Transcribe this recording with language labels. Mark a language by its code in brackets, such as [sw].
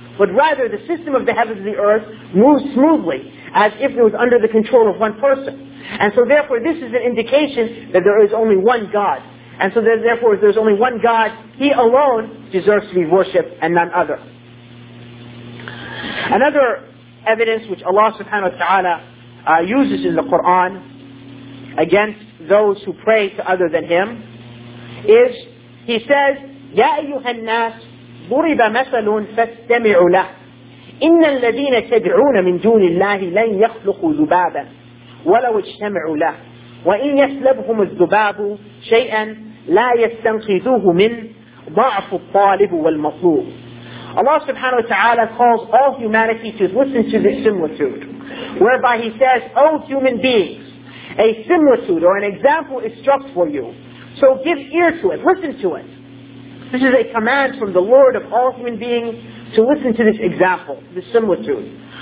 [en] But rather, the system of the heavens and the earth moves smoothly, as if it was under the control of one person. And so therefore, this is an indication that there is only one God. And so therefore, if there's only one God, He alone deserves to be worshipped and none other. Another evidence which Allah subhanahu wa ta'ala uses in the Qur'an against those who pray to other than Him is, He says, [ar] يَا أَيُّهَا النَّاسِ ضُرِبَ مَثَلٌ فَاسْتَمِعُوا لَهُ إِنَّ الَّذِينَ تَدْعُونَ مِن دُونِ اللَّهِ لَنْ يَخْلُقُوا ذُبَابًا وَلَوْ اجْتَمِعُوا لَهُ وَإِنْ يَسْلَبْهُمُ الذُّبَابُ شَيْئًا لَا يَسْتَنْقِذُوهُ مِنْ ضَعْفُ الطَّالِبُ وَالْمَطْلُوبُ. [en] Allah subhanahu wa ta'ala calls all humanity to listen to this similitude, whereby He says, O human beings, a similitude or an example is struck for you. So give ear to it, listen to it. This is a command from the Lord of all human beings to listen to this example, this similitude.